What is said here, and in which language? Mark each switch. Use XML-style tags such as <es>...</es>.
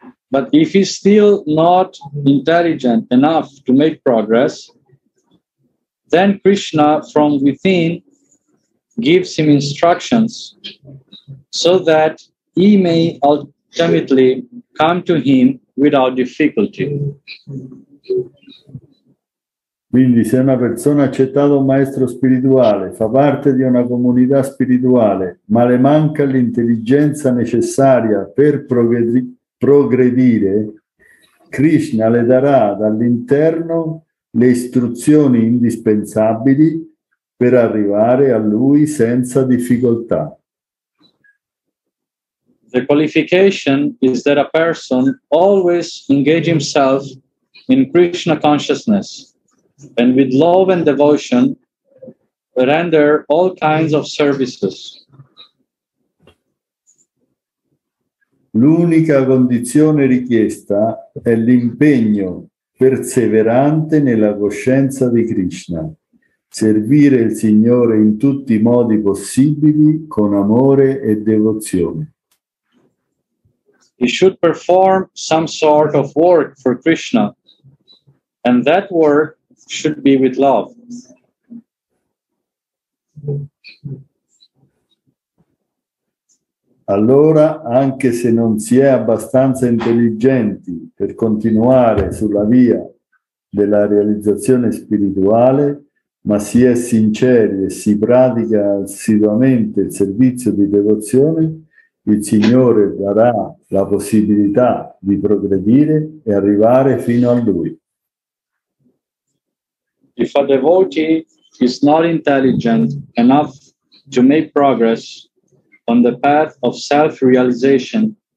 <en>but if he's still not intelligent enough to make progress, then Krishna from within gives him instructions so that he may ultimately come to him without difficulty.</en> <it>Quindi se una persona ha accettato un maestro spirituale, fa parte di una comunità spirituale, ma le manca l'intelligenza necessaria per progredire, Krishna le darà dall'interno le istruzioni indispensabili per arrivare a lui senza difficoltà.</it> <en>The qualification is that a person always engage himself in Krishna consciousness and with love and devotion render all kinds of services.</en> <it>L'unica condizione richiesta è l'impegno perseverante nella coscienza di Krishna, servire il Signore in tutti i modi possibili con amore e devozione.</it> <en>He should perform some sort of work for Krishna, and that work should be with love.</en> <it>Allora, anche se non si è abbastanza intelligenti per continuare sulla via della realizzazione spirituale, ma si è sinceri e si pratica assiduamente il servizio di devozione, il Signore darà la possibilità di progredire e arrivare fino a Lui.</it> <en>If a devotee is not intelligent enough to make progress on the path of self-realization,</en>